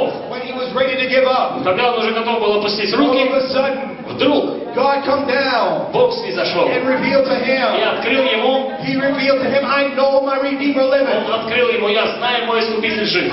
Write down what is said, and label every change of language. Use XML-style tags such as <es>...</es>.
<ru>Когда он уже готов был опустить руки, вдруг</ru> <en>God come down,</en> <ru>Бог снизошел</ru> <en>and revealed to him,</en> <ru>и открыл ему,</ru> <en>he revealed to him, I know my Redeemer living.</en> <ru>Он открыл ему, я знаю, мой Искупитель жив.</ru>